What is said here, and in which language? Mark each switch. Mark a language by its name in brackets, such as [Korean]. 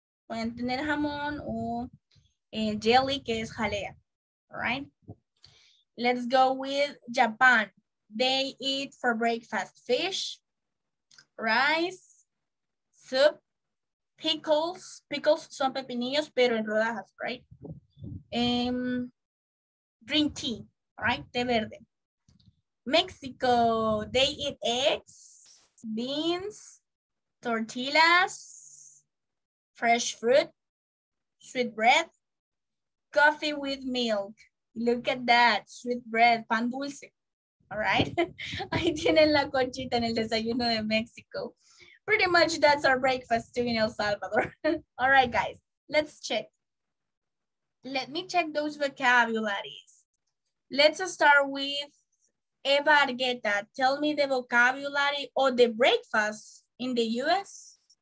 [Spanish] Pueden tener jamón o jelly, que es jalea, right? [English] Let's go with Japan. They eat for breakfast fish, rice, soup, pickles. [Spanish] Pickles son pepinillos, pero en rodajas, right? [English] Green tea, right? [Spanish] Té verde. [English] Mexico, they eat eggs, beans, tortillas, fresh fruit, sweet bread, coffee with milk. Look at that, sweet bread, [Spanish] pan dulce. [English] All right. [Spanish] Ahí tienen la conchita en el desayuno de México. [English] Pretty much that's our breakfast too in El Salvador. All right, guys, let's check. Let me check those vocabularies. Let's start with Eva Argueta. Tell me the vocabulary or the breakfast in the U.S.